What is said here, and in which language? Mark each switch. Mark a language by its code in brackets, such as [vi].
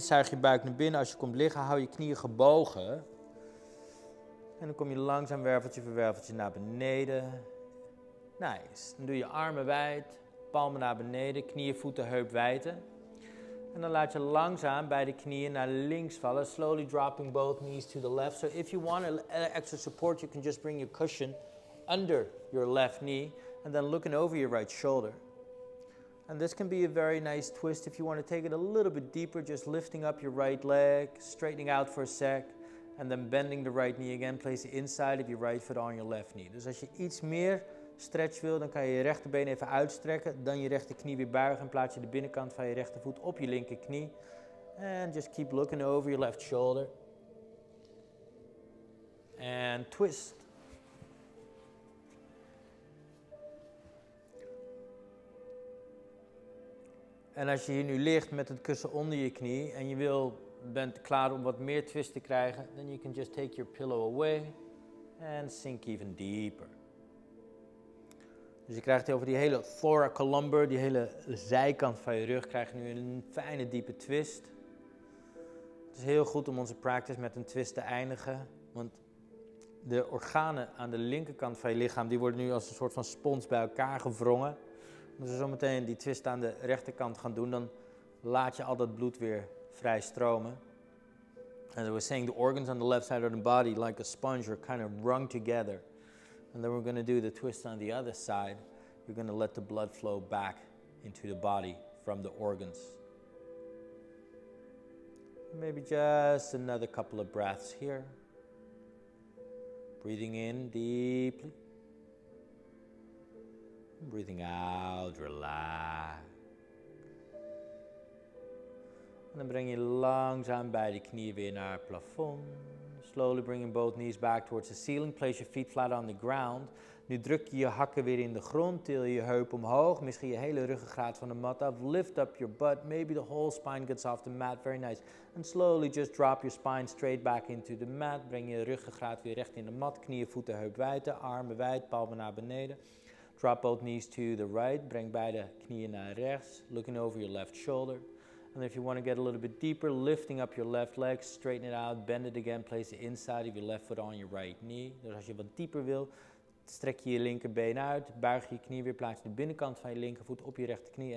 [nl] Zuig je buik naar binnen. Als je komt liggen, hou je knieën gebogen. En dan kom je langzaam werveltje voor werveltje naar beneden. Nice. Dan doe je armen wijd, palmen naar beneden, knieën, voeten, heup wijd. En dan laat je langzaam beide knieën naar links vallen. [en] Slowly dropping both knees to the left. So if you want extra support, you can just bring your cushion under your left knee. And then looking over your right shoulder. And this can be a very nice twist if you want to take it a little bit deeper. Just lifting up your right leg, straightening out for a sec. And then bending the right knee again, place the inside of your right foot on your left knee. [nl] Dus als je iets meer stretch wil, dan kan je je rechterbeen even uitstrekken. Dan je rechterknie weer buigen en plaats je de binnenkant van je rechtervoet op je linkerknie. [en] And just keep looking over your left shoulder. And twist. [nl] En als je hier nu ligt met het kussen onder je knie en je wil... bent klaar om wat meer twist te krijgen, [en] then you can just take your pillow away and sink even deeper. [nl] Dus je krijgt over die hele thoracolumbar, die hele zijkant van je rug, krijg je nu een fijne diepe twist. Het is heel goed om onze practice met een twist te eindigen, want de organen aan de linkerkant van je lichaam, die worden nu als een soort van spons bij elkaar gewrongen. Als we zometeen die twist aan de rechterkant gaan doen, dan laat je al dat bloed weer vrij stromen. [en] As I was saying, the organs on the left side of the body, like a sponge, are kind of wrung together. And then we're going to do the twist on the other side. You're going to let the blood flow back into the body from the organs. Maybe just another couple of breaths here. Breathing in deeply. Breathing out, relax. [nl] En dan breng je langzaam beide knieën weer naar het plafond. [en] Slowly bringing both knees back towards the ceiling. Place your feet flat on the ground. [nl] Nu druk je je hakken weer in de grond. Til je heup omhoog. Misschien je hele ruggengraat van de mat af. [en] Lift up your butt. Maybe the whole spine gets off the mat. Very nice. And slowly just drop your spine straight back into the mat. [nl] Breng je ruggengraat weer recht in de mat. Knieën, voeten, heup wijd. Armen wijd, palmen naar beneden. [en] Drop both knees to the right. [nl] Breng beide knieën naar rechts. [en] Looking over your left shoulder. And if you want to get a little bit deeper, lifting up your left leg, straighten it out, bend it again, place the inside of your left foot on your right knee. [nl] Dus als je wat dieper wil, strek je je linkerbeen uit, buig je knie weer, plaats de binnenkant van je linkervoet op je rechterknie.